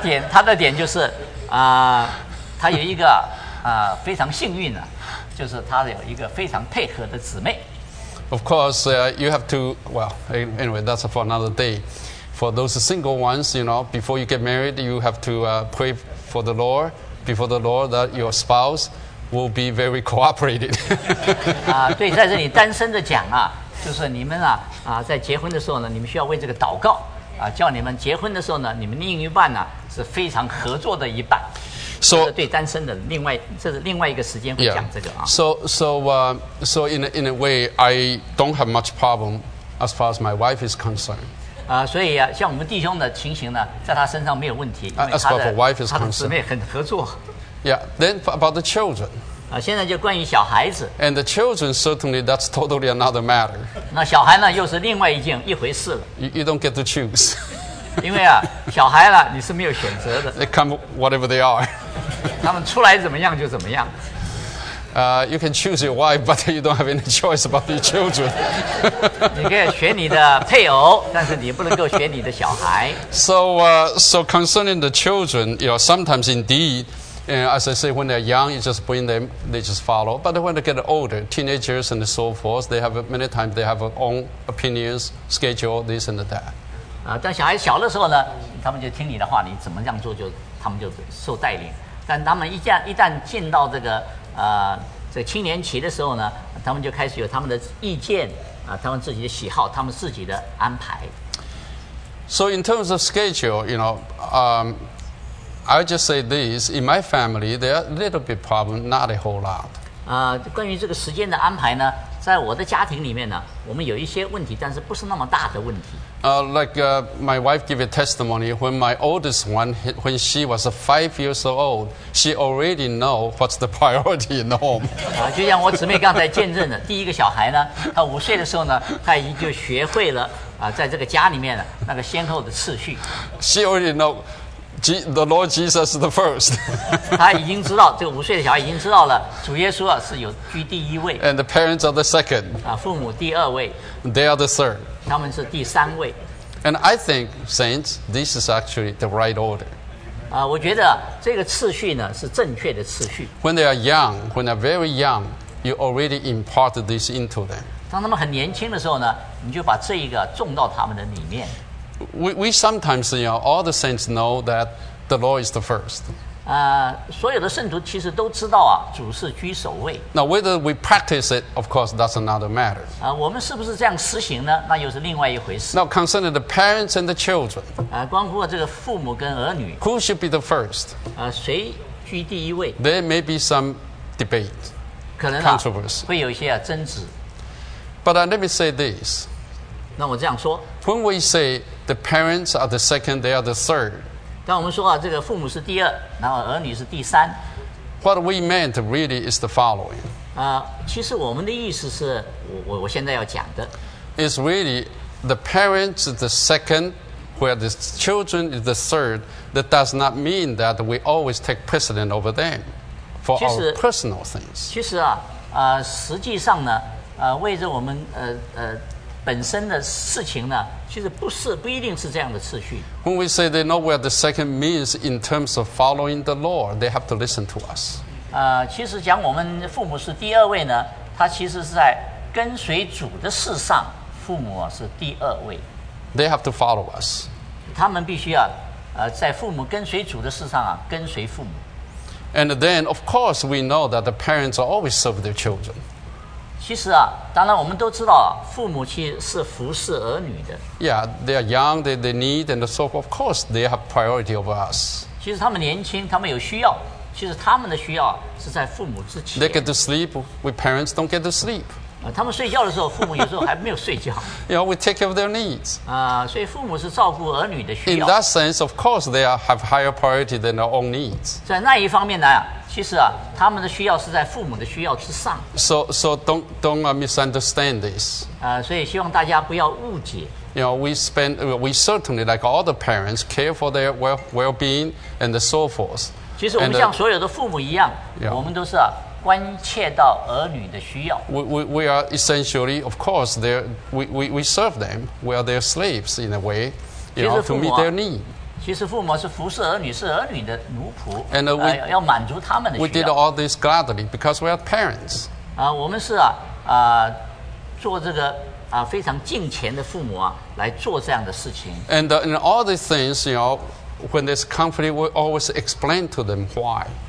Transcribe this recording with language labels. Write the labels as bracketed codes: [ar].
[zh] 他的点就是他有一个非常幸运的，就是他有一个非常配合的姊妹。 [en] Of course, you have to, well, anyway, that's for another day. For those single ones, you know, before you get married, you have to pray for the Lord, before the Lord, that your spouse will be very cooperative. [zh] 对，在这里单身的讲就是你们在结婚的时候呢，你们需要为这个祷告叫你们结婚的时候呢，你们另一半是非常合作的一半。 [en] So, [zh] 这是对单身的这是另外一个时间会讲这个 [en] So in a way, I don't have much problem as far as my wife is concerned. [zh] 所以像我们弟兄的情形呢，在他身上没有问题，因为他的姊妹很合作。 [en] Yeah, then about the children. [zh] 现在就关于小孩子。 [en] And the children certainly that's totally another matter. [zh] 那小孩呢，又是另外一回事了。 [en] You don't get to choose. [zh] 因为小孩呢，你是没有选择的。 [en] They come whatever they are. [zh] 他们出来怎么样就怎么样。 [en] You can choose your wife, but you don't have any choice about your children. [zh] 你可以选你的配偶，但是你不能够选你的小孩。 [en] So concerning the children, you know, sometimes indeed, as I say, when they're young, you just bring them, they just follow. But when they get older, teenagers and so forth, they have many times they have their own opinions, schedule, this and that. [zh] 但小孩小的时候呢，他们就听你的话，你怎么这样做就他们就受带领。但他们一旦进到这个这青年期的时候呢，他们就开始有他们的意见他们自己的喜好，他们自己的安排。 [en] So in terms of schedule, you know, I just say this: in my family, there are a little bit problem, not a whole lot. [zh] 关于这个时间的安排呢，在我的家庭里面呢，我们有一些问题，但是不是那么大的问题。 [en] My wife gave a testimony when my oldest one, when she was 5 years old, she already know what's the priority in the home. [zh] 就像我姊妹刚才见证的，第一个小孩呢，他五岁的时候呢，他已经就学会了在这个家里面的那个先后的次序。 [en] She already know the Lord Jesus is the first. [zh] 他已经知道，这个五岁的小孩已经知道了，主耶稣是有居第一位。 [en] And the parents are the second. [zh] 父母第二位。 [en] They are the third. [zh] 他们是第三位。 [en] And I think, saints, this is actually the right order. [zh] 我觉得这个次序呢是正确的次序。 [en] When they are young, when they are very young, you already impart this into them. [zh] 当他们很年轻的时候呢，你就把这一个种到他们的里面。 [en] We sometimes, you know, all the saints know that the Lord is the first. [zh] 所有的圣徒其实都知道主是居首位。 [en] Now whether we practice it, of course, that's another matter. [zh] 我们是不是这样实行呢？那又是另外一回事。 [en] Now concerning the parents and the children. [zh] 关乎这个父母跟儿女。 [en] Who should be the first? [zh] 谁居第一位？ [en] There may be some debate, [zh] 可能 [en] controversy. [zh] 会有一些争执。 [en] But let me say this. [zh] 那我这样说。 [en] When we say the parents are the second, they are the third. [zh] 当我们说这个父母是第二，然后儿女是第三。 [en] What we meant really is the following. [zh] 其实我们的意思是，我现在要讲的。 [en] It's really the parents is the second, where the children is the third. That does not mean that we always take precedent over them for our personal things. [zh] 其实实际上呢，为着我们本身的事情呢，其实不一定是这样的次序。 [en] When we say they know where the second means in terms of following the Lord, they have to listen to us. [zh] 其实讲我们父母是第二位呢，他其实是在跟随主的事上父母是第二位。 [en] They have to follow us. [zh] 他们必须要，在父母跟随主的事上啊，跟随父母。 [en] And then, of course, we know that the parents are always serve their children. [zh] 其实啊，当然我们都知道，父母其实是服侍儿女的。 [en] Yeah, they are young, they need, and so of course they have priority over us. [zh] 其实他们年轻，他们有需要。其实他们的需要是在父母之前。 [en] They get to sleep, we parents don't get to sleep. [zh] 他们睡觉的时候，父母有时候还没有睡觉。 [en] Yeah, we take care of their needs. [zh] 所以父母是照顾儿女的需要。 [en] In that sense, of course, they have higher priority than their own needs. [zh] 在那一方面呢，其实啊，他们的需要是在父母的需要之上。 [en] So don't misunderstand this. [zh] 所以希望大家不要误解。 [en] You know, we certainly, like all the parents, care for their well-being and so forth. [zh] 其实我们像所有的父母一样 yeah, 我们都是、啊、关切到儿女的需要 [en] we are essentially, of course, we serve them. We are their slaves in a way, you know, to meet their need. [zh] 其实父母是服侍儿女是儿女的奴仆 [en] and, we, [zh] 要满足他们的需要 [en] We did all this gladly because we are parents. [zh] 我们是、啊做这个非常敬虔的父母、啊、来做这样的事情 [en] and, and all these things, you know,When there's conflict, we always explain to them why.